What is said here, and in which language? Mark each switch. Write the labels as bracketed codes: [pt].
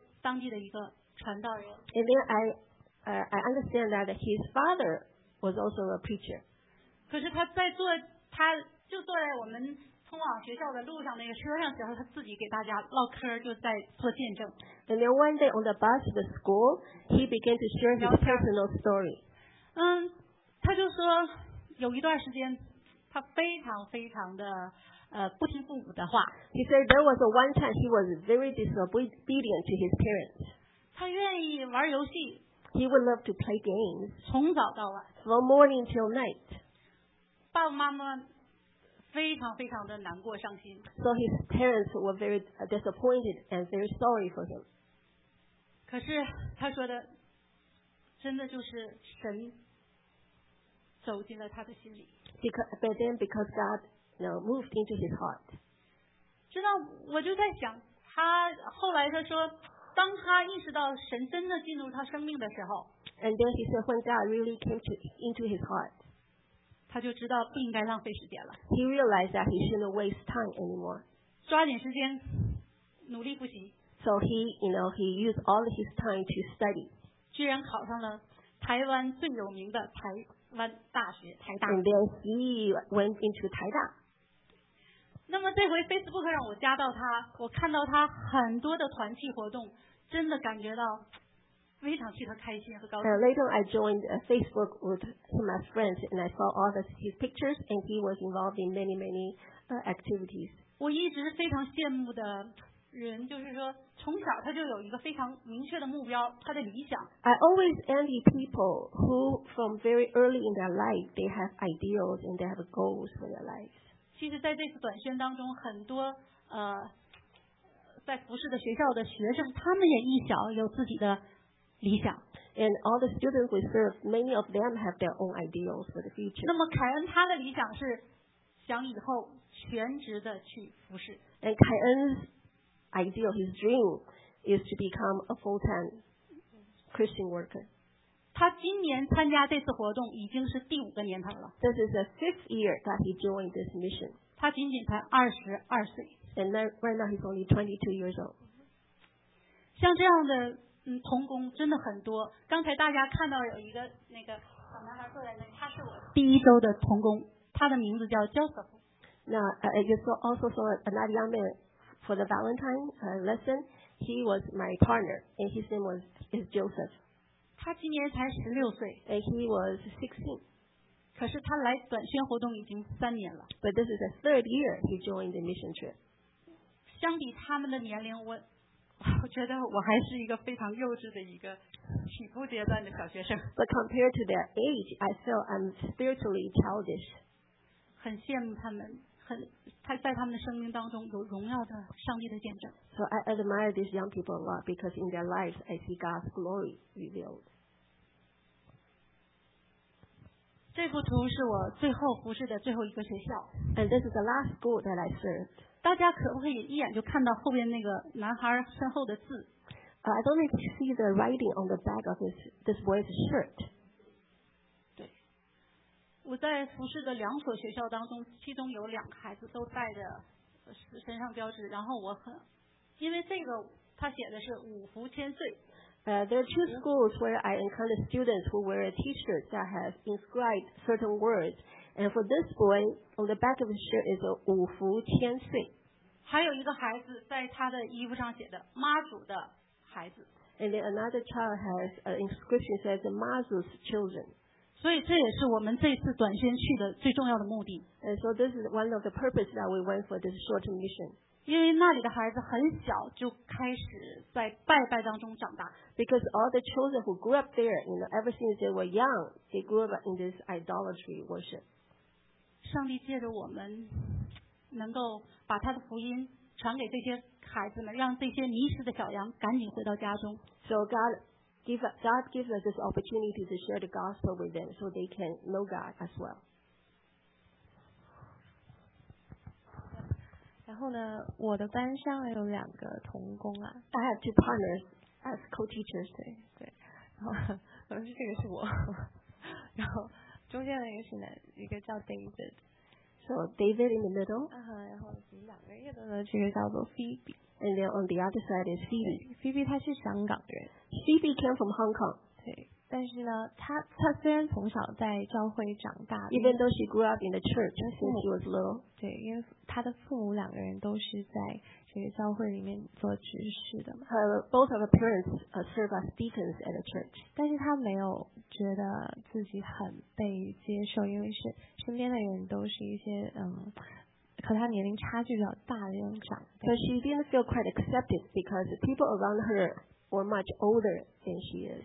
[zh] 当地的一个传道人。 [en] And then I understand that his father was also a preacher. [zh] 可是他在坐，他就坐在我们通往学校的路上那个车上时候，他自己给大家唠嗑，就在做见证。 [en] And then one day on the bus to the school, he began to share his personal story. [zh] 他就说有一段时间他非常非常的。不听父母的话。 [en] He said there was a one time he was very disobedient to his parents. [zh] 他愿意玩游戏。 [en] He would love to play games. [zh] 从早到晚。 [en] From morning till night. [zh] 爸爸妈妈非常非常的难过伤心。 [en] So his parents were very disappointed and very sorry for him. [zh] 可是他说的真的就是神走进了他的心里。 [en] Because God Now moved into his heart. [zh] 知道，我就在想，他后来他说，当他意识到神真的进入他生命的时候 [en] ，And then he said when God really came into his heart, [zh] 他就知道不应该浪费时间了。 [en] He realized that he shouldn't waste time anymore. [zh] 抓紧时间，努力复习。 [en] So he, you know, he used all his time to study. [zh] 居然考上了。台湾最有名的台湾大学台大。 [en] And then he went into 台大。 [zh] 那么这回 Facebook 让我加到他，我看到他很多的团契活动，真的感觉到非常替他开心和高兴。 [en] Later I joined Facebook with him as friends and I saw all of his pictures and he was involved in many many activities. [zh] 我一直非常羡慕的人就是说从小他就有一个非常明确的目标，他的理想。 [en] I always envy people who from very early in their life they have ideals and they have goals for their life. [zh] 其实在这次短宣当中很多在服侍的学校的学生他们也一小有自己的理想。 [en] And all the students we serve, many of them have their own ideals for the future. [zh] 那么凯恩他的理想是想以后全职的去服侍。 [en] And Kai-en's ideal, his dream, is to become a full-time Christian worker. [zh] 他今年参加这次活动已经是第五个年头了。 [en] This is the fifth year that he joined this mission. [zh] 他仅仅才22岁。 [en] And now, right now he's only 22 years old. [zh] 像这样的同工真的很多。刚才大家看到有一个那个小男孩坐在那，他是我第一周的同工，他的名字叫 Joseph。 [en] You also saw another young man for the Valentine lesson. He was my partner, and his name is Joseph. [zh] 他今年才16岁。 [en] And he was 16. [zh] 可是他来短宣活动已经三年了。 [en] But this is the third year he joined the mission trip. [zh] 相比他们的年龄，我觉得我还是一个非常幼稚的一个起步阶段的小学生。 [en] But compared to their age, I feel I'm spiritually childish. [zh] 很羡慕他们，很他在他们的生命当中有荣耀的上帝的见证。 [en] So I admire these young people a lot because in their lives I see God's glory revealed. [zh] 这幅图是我最后服侍的最后一个学校。 [en] And this is the last school that I served. [zh] 大家可不可以一眼就看到后边那个男孩身后的字？ [en] I don't need to see the writing on the back of this boy's shirt. [zh] 对，我在服侍的两所学校当中，其中有两个孩子都带着身上标志，然后我很，因为这个他写的是五福千岁。 [en] There are two schools where I encounter students who wear a T-shirt that has inscribed certain words. And for this boy, on the back of his shirt is a 五福千岁。 [zh] 还有一个孩子在他的衣服上写的妈祖的孩子。 [en] And then another child has an inscription that says Mazu's children. [zh] 所以这也是我们这次短宣去的最重要的目的。 [en] And so this is one of the purposes that we went for this short mission. [zh] 因为那里的孩子很小就开始在拜拜当中长大。 [en] Because all the children who grew up there, you know, ever since they were young, they grew up in this idolatry worship. [zh] 上帝借着我们能够把他的福音传给这些孩子们，让这些迷失的小羊赶紧回到家中。 [en] So God gives us this opportunity to share the gospel with them so they can know God as well. [zh] 然后呢，我的班上有两个同工啊。 [en] I have two partners as co-teachers. [zh] 对对，然后这个是我，然后中间的一个是男，一个叫 David。 [en] So David in the middle. [zh] 然后其实两个人的呢，这个叫做 Phoebe。 [en] And then on the other side is Phoebe. [zh] Phoebe 她是香港人。 [en] Phoebe came from Hong Kong. [zh] 对，但是呢，她虽然从小在教会长大 [en] ，Even though she grew up in the church since she was little. [zh] 对，因为她的父母两个人都是在这个教会里面做执事的嘛。 [en] Both of her parents serve as deacons at the church. [zh] 但是她没有觉得自己很被接受，因为是身边的人都是一些和她年龄差距比较大的人长辈。 [en] But she didn't feel quite accepted because the people around her were much older than she is.